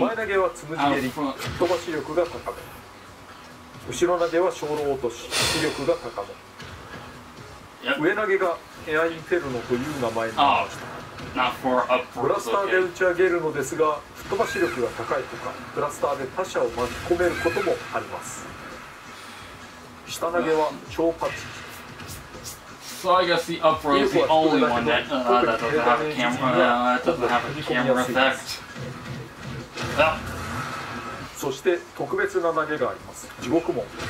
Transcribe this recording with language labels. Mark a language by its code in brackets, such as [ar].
[ja] 前投げはつむじ蹴り、吹っ飛ばし力が高め、後ろ投げは小籠落とし、威力が高め、上投げがエアインフェルノという名前になりました。ブラスターで打ち上げるのですが、吹っ飛ばし力が高いとか、ブラスターで他者を巻き込めることもあります。下投げは超パチ。 [en] So I guess the upper is the only one that, that doesn't have a camera, effect. [ja] そして特別な投げがあります。地獄門。